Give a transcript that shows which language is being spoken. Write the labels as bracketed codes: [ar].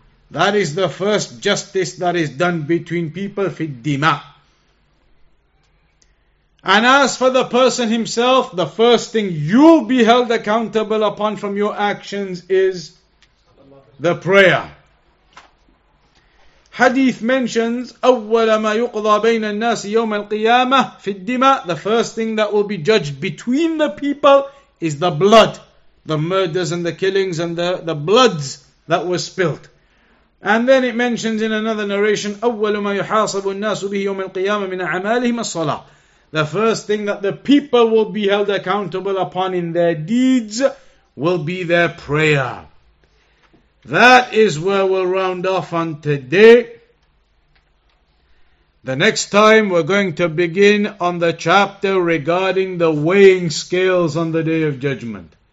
[en] That is the first justice that is done between people, [ar] fi dima. [en] And as for the person himself, the first thing you'll be held accountable upon from your actions is the prayer. Hadith mentions, [ar] أول ما يقضى بين الناس يوم القيامة في الدماء. [en] The first thing that will be judged between the people is the blood, the murders and the killings and the bloods that were spilled. And then it mentions in another narration, [ar] أول ما يحاسب الناس به يوم القيامة من أعمالهم الصلاة. [en] The first thing that the people will be held accountable upon in their deeds will be their prayer. That is where we'll round off on today. The next time we're going to begin on the chapter regarding the weighing scales on the Day of Judgment.